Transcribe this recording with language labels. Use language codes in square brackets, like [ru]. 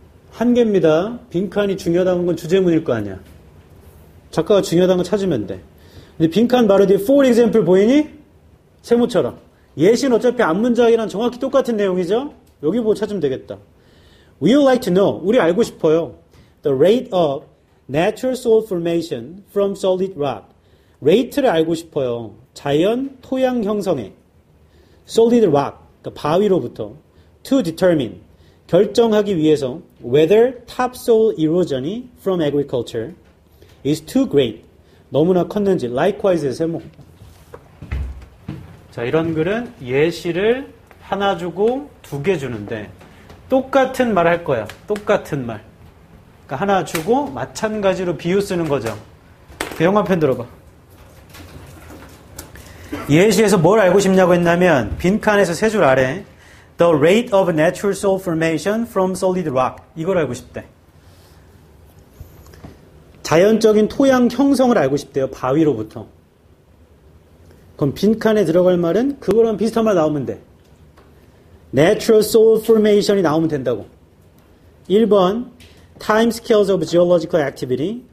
[ko] 한 개입니다 빈칸이 중요하다는 건 주제문일 거 아니야 작가가 중요하다는 거 찾으면 돼 근데 빈칸 바로 뒤에 [en] for example [ko] 보이니? 세모처럼. 예시는 어차피 앞문장이랑 정확히 똑같은 내용이죠? 여기 보고 찾으면 되겠다. [en] We would like to know. [ko] 우리 알고 싶어요. [en] The rate of natural soil formation from solid rock. [ko] rate를 알고 싶어요. 자연 토양 형성에. solid rock. 그러니까 바위로부터. [en] to determine. [ko] 결정하기 위해서. [en] whether topsoil erosion이 from agriculture is too great. [ko] 너무나 컸는지 likewise의 세모 자 이런 글은 예시를 하나 주고 두 개 주는데 똑같은 말 할 거야 똑같은 말 그러니까 하나 주고 마찬가지로 비유 쓰는 거죠 그 영화편 들어봐 예시에서 뭘 알고 싶냐고 했냐면 빈칸에서 세 줄 아래 [en] the rate of natural salt formation from solid rock. [ko] 이걸 알고 싶대. 자연적인 토양 형성을 알고 싶대요. 바위로부터. 그럼 빈칸에 들어갈 말은 그거랑 비슷한 말 나오면 돼. [en] Natural salt formation이 [ko] 나오면 된다고. [en] 1번, time scales of geological activity.